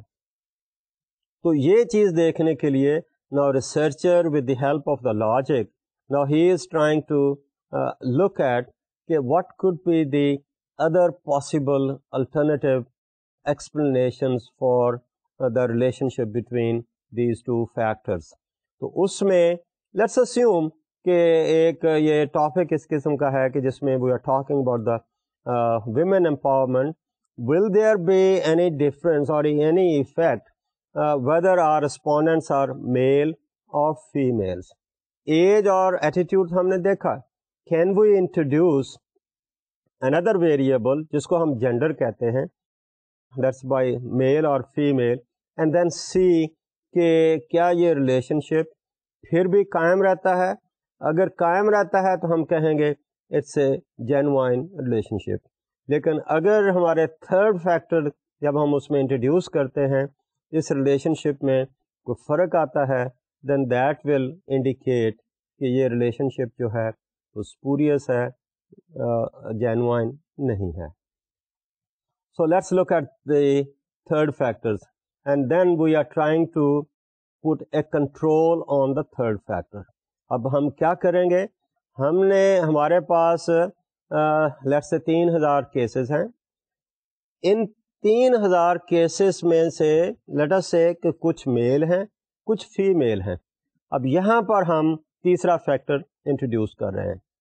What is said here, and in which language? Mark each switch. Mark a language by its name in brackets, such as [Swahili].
[Urdu] تو یہ چیز دیکھنے کے لیے [English] Now researcher with the help of the logic now he is trying to look at کہ what could be the other possible alternative explanations for the relationship between these two factors. تو اس میں let's assume [Urdu] کہ ایک یہ topic اس قسم کا ہے کہ جس میں [English] We are talking about the women empowerment. Will there be any difference اور any effect whether our respondents are male or females. Age or attitude [Urdu] ہم نے دیکھا. [English] Can we introduce another variable [Urdu] جس کو ہم gender کہتے ہیں, [English] that's by male or female, and then see [Urdu] کہ کیا یہ relationship پھر بھی قائم رہتا ہے. اگر قائم رہتا ہے تو ہم کہیں گے [English] it's a genuine relationship. [Urdu] لیکن اگر ہمارے third factor جب ہم اس میں introduce کرتے ہیں اس relationship میں کوئی فرق آتا ہے, [English] then that will indicate [Urdu] کہ یہ relationship جو ہے وہ spurious ہے, genuine نہیں ہے. [English] So let's look at the third factors and then we are trying to put a control on the third factor. [Urdu] اب ہم کیا کریں گے, ہم نے ہمارے پاس let's say 3000 cases ہیں. ان 3000 cases میں سے let us say کہ کچھ میل ہیں کچھ فی میل ہیں. اب یہاں پر ہم تیسرا فیکٹر انٹروڈیوس کر رہے ہیں.